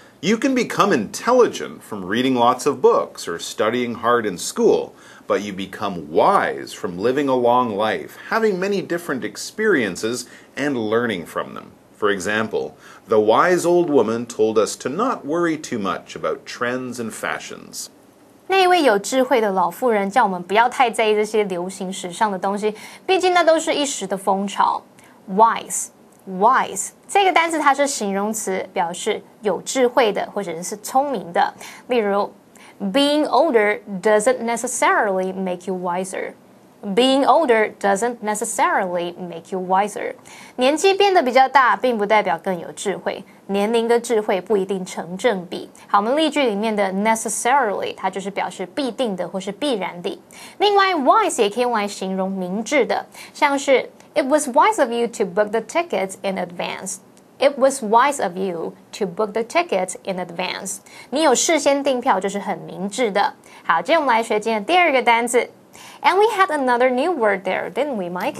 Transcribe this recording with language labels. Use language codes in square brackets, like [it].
[en] You can become intelligent from reading lots of books or studying hard in school, but you become wise from living a long life, having many different experiences and learning from them. For example, the wise old woman told us to not worry too much about trends and fashions. [zh] 那一位有智慧的老妇人叫我们不要太在意这些流行时尚的东西，毕竟那都是一时的风潮。 Wise 这个单词它是形容词，表示有智慧的或者是聪明的。例如 [en] ，Being older doesn't necessarily make you wiser. Being older doesn't necessarily make you wiser. [zh] 年纪变得比较大，并不代表更有智慧。年龄跟智慧不一定成正比。好，我们例句里面的 necessarily 它就是表示必定的或是必然的。另外 wise 也可以用来形容明智的，像是 [en] It was wise of you to book the tickets in advance. It was wise of you to book the tickets in advance. [zh] 你有事先订票就是很明智的。好，接下来我们来学今天的第二个单字。 [en] And we had another new word there, didn't we, Mike?